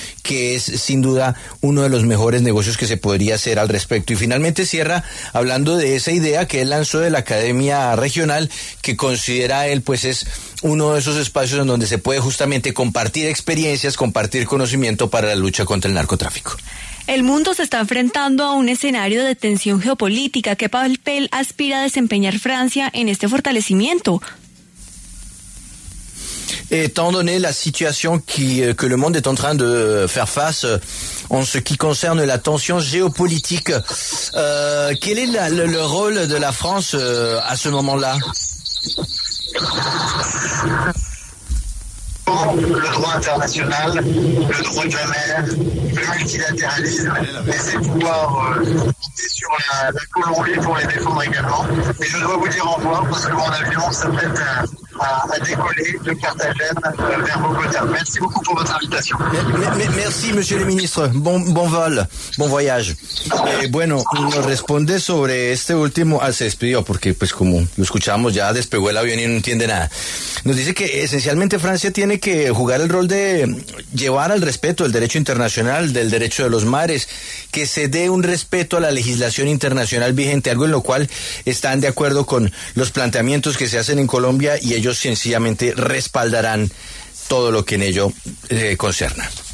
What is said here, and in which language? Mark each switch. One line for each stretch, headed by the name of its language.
Spanish: que es sin duda uno de los mejores negocios que se podría hacer al respecto. Y finalmente cierra hablando de esa idea que él lanzó de la Academia Regional, que considera él, pues es uno de esos espacios en donde se puede justamente compartir experiencias, compartir conocimiento para la lucha contra el narcotráfico. El mundo se está enfrentando a un escenario de tensión geopolítica. ¿Qué papel aspira a desempeñar Francia en este fortalecimiento?
French: Étant donné la situation que le monde est en train de faire face en ce qui concerne la tension géopolitique, quel est le rôle de la France à ce moment-là? Le droit international, le droit de la mer, le multilatéralisme, laisser pouvoir sur la Colombie pour les défendre également. Et je dois vous dire au revoir parce que mon avion s'apprête à décoller de Cartagène vers Bogota. Merci beaucoup pour votre invitation. Merci, monsieur le ministre. Bon vol, bon voyage.
Spanish: Bueno, nos responde sobre este último, se despidió porque pues como lo escuchamos ya despegó el avión y no entiende nada. Nos dice que esencialmente Francia tiene que jugar el rol de llevar al respeto del derecho internacional, del derecho de los mares, que se dé un respeto a la legislación internacional vigente, algo en lo cual están de acuerdo con los planteamientos que se hacen en Colombia y ellos sencillamente respaldarán todo lo que en ello concierne.